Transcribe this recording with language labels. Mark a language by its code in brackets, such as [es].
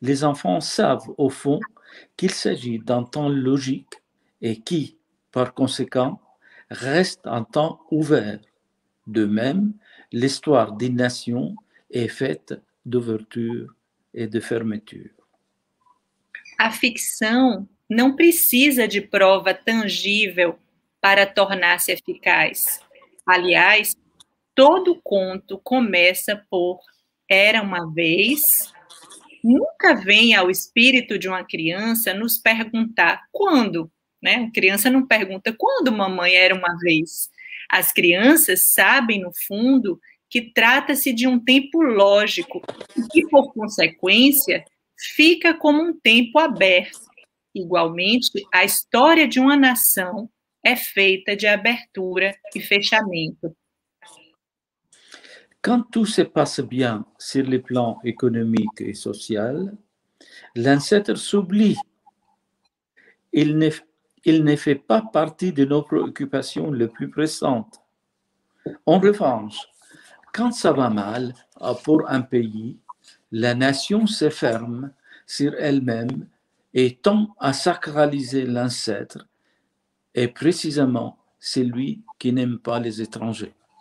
[fr] Les enfants savent au fond qu'il s'agit d'un temps logique et qui, par conséquent, reste un temps ouvert, De même, l'histoire des nations est faite d'ouverture et de fermeture. [pt] A ficção não precisa de prova tangível para tornar-se eficaz. Aliás, todo conto começa por "era uma vez". Nunca vem ao espírito de uma criança nos perguntar quando, né? A criança não pergunta quando mamãe era uma vez. As crianças sabem, no fundo, que trata-se de um tempo lógico e que, por consequência, fica como um tempo aberto. Igualmente, a história de uma nação é feita de abertura e fechamento. [fr] Quand tout se passe bien sur le plan économique et social, l'ancêtre s'oublie. Il ne fait pas partie de nos préoccupations les plus pressantes. En revanche, quand ça va mal pour un pays, la nation se ferme sur elle-même et tend à sacraliser l'ancêtre, et précisément celui qui n'aime pas les étrangers.